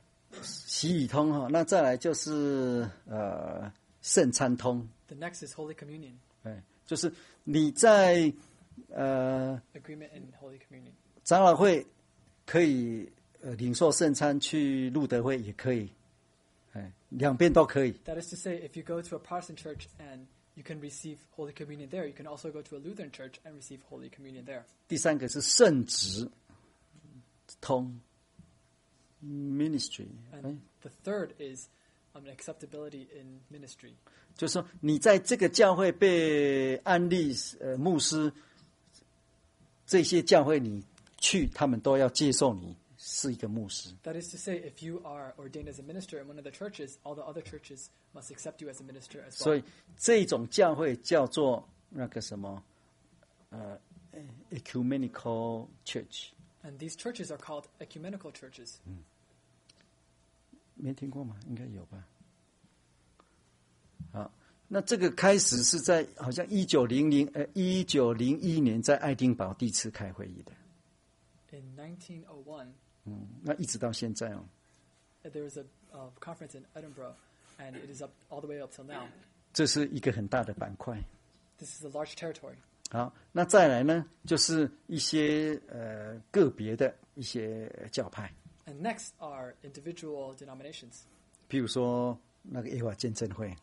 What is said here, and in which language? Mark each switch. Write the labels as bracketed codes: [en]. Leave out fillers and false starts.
[zh] 是这样子的。洗礼通, 那再来就是, 圣餐通。 [en] The next is Holy Communion. [zh] 就是你在, [en] agreement in Holy Communion. [zh] 长老会可以 领受圣餐去路德会也可以, 两边都可以。 [en] That is to say, if you go to a Protestant church and you can receive Holy Communion there, you can also go to a Lutheran church and receive Holy Communion there. [zh] 第三个是圣职通, ministry. [en] And the third is an acceptability in ministry. [zh] 就是说你在这个教会被安立, 牧师, 这些教会你去, 他们都要接受你。是一个牧师。 [en] That is to say, if you are ordained as a minister in one of the churches, all the other churches must accept you as a minister as well. [zh] 所以这种教会叫做那个什么, ecumenical church. [en] And these churches are called ecumenical churches. [zh] 没听过吗?应该有吧。好,那这个开始是在好像1901年在爱丁堡第一次开会议的。 [en] In 1901, [zh] 那一直到现在哦, [en] there is a conference in Edinburgh, and it is up all the way up till now. [zh] 这是一个很大的板块。 [en] This is a large territory. [zh] 好，那再来呢，就是一些个别的一些教派。 [en] And next are individual denominations. [zh] 譬如说那个耶和华见证会。